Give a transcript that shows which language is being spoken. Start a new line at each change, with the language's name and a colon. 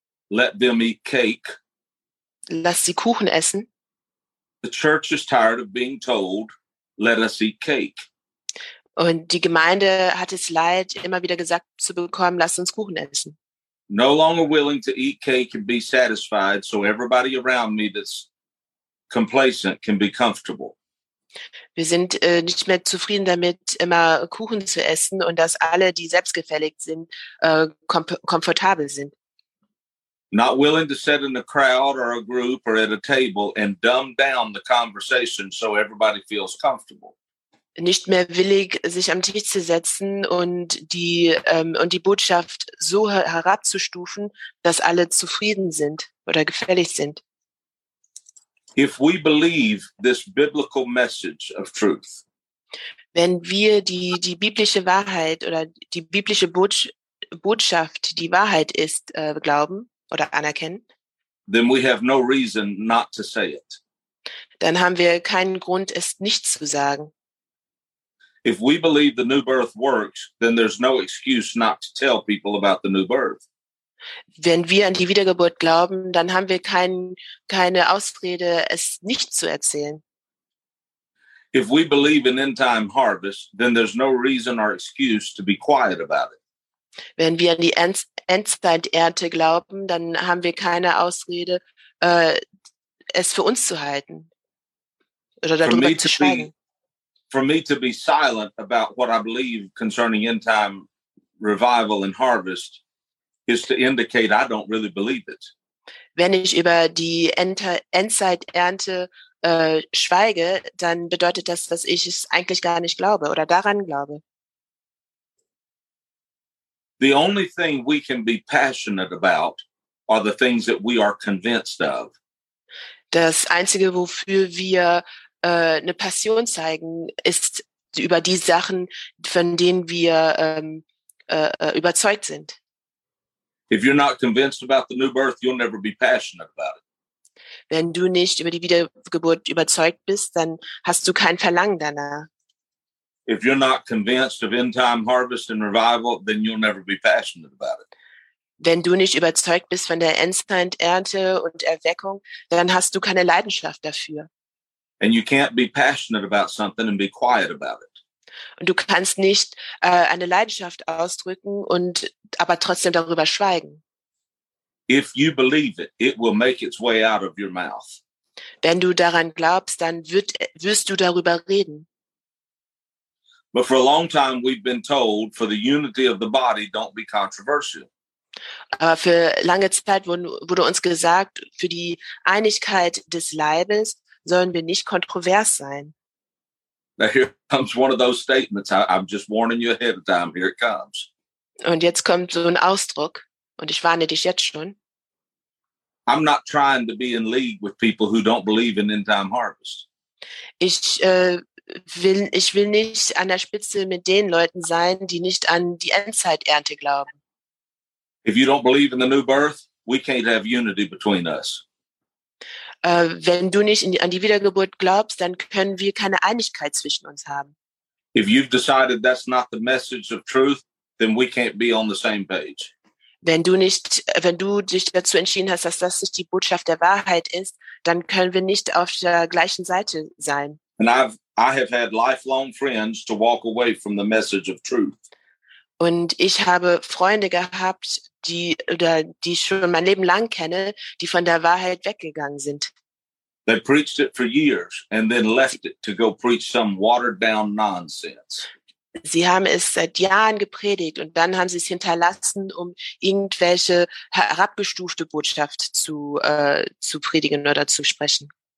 English: Let them eat cake.
German: Lass sie Kuchen essen.
English: The church is tired of being told, let us eat cake.
German: Und die Gemeinde hat es leid, immer wieder gesagt zu bekommen, lass uns Kuchen essen.
English: No longer willing to eat cake and be satisfied, so everybody around me that's complacent can be comfortable.
German: Wir sind nicht mehr zufrieden damit, immer Kuchen zu essen und dass alle, die selbstgefällig sind, komfortabel sind.
English: Not willing to sit in a crowd or a group or at a table and dumb down the conversation so everybody feels comfortable.
German: Nicht mehr willig, sich am Tisch zu setzen und die Botschaft so herabzustufen, dass alle zufrieden sind oder gefällig sind.
English: If we believe this biblical message of truth,
German: wenn wir die biblische Wahrheit oder die biblische Botschaft, die Wahrheit ist, glauben oder anerkennen,
English: then we have no reason not to say it.
German: Dann haben wir keinen Grund, es nicht zu sagen.
English: If we believe the new birth works, then there's no excuse not to tell people about the new birth.
German: Wenn wir an die Wiedergeburt glauben, dann haben wir keine Ausrede, es nicht zu erzählen.
English: If we believe in end-time harvest, then there's no reason or excuse to be quiet about it.
German: Wenn wir an die Endzeiternte glauben, dann haben wir keine Ausrede, es für uns zu halten oder darüber zu schweigen.
English: For me to be silent about what I believe concerning end-time revival and harvest is to indicate I don't really believe it.
German: Wenn ich über die Endzeiternte schweige, dann bedeutet das, dass ich es eigentlich gar nicht glaube oder daran glaube.
English: The only thing we can be passionate about are the things that we are convinced of.
German: Das Einzige, wofür wir eine Passion zeigen, ist über die Sachen, von denen wir überzeugt sind.
English: If you're not convinced about the new birth, you'll never be passionate about it.
German: Wenn du nicht über die Wiedergeburt überzeugt bist, dann hast du kein Verlangen danach.
English: If you're not convinced of end-time harvest and revival, then you'll never be passionate about it.
German: Wenn du nicht überzeugt bist von der Endzeiternte und Erweckung, dann hast du keine Leidenschaft dafür.
English: And you can't be passionate about something and be quiet about it.
German: Und du kannst nicht eine Leidenschaft ausdrücken und aber trotzdem darüber schweigen.
English: If you believe it, it will make its way out of your mouth.
German: Wenn du daran glaubst, dann wirst du darüber reden.
English: But for a long time we've been told, for the unity of the body, don't be controversial.
German: Aber für lange Zeit wurde uns gesagt, für die Einigkeit des Leibes sollen wir nicht kontrovers sein.
English: Now here comes one of those statements. I'm just warning you ahead of time. Here it comes.
German: Und jetzt kommt so ein Ausdruck. Und ich warne dich jetzt schon.
English: I'm not trying to be in league with people who don't believe in end-time harvest.
German: Ich will nicht an der Spitze mit den Leuten sein, die nicht an die Endzeiternte glauben.
English: If you don't believe in the new birth, we can't have unity between us.
German: Wenn du nicht an die Wiedergeburt glaubst, dann können wir keine Einigkeit zwischen uns haben.
English: If you've decided that's not the message of truth, then we can't be on the same page.
German: Wenn du dich dazu entschieden hast, dass das nicht die Botschaft der Wahrheit ist, dann können wir nicht auf der gleichen Seite sein.
English: And I have had lifelong friends to walk away from the message of truth.
German: Und ich habe Freunde gehabt, die schon mein Leben lang kenne, die von der Wahrheit weggegangen sind.
English: They preached it for years and then left it to go preach some watered down nonsense.
German: Sie haben es seit Jahren gepredigt und dann haben sie es hinterlassen, um irgendwelche herabgestufte Botschaft zu predigen oder zu sprechen.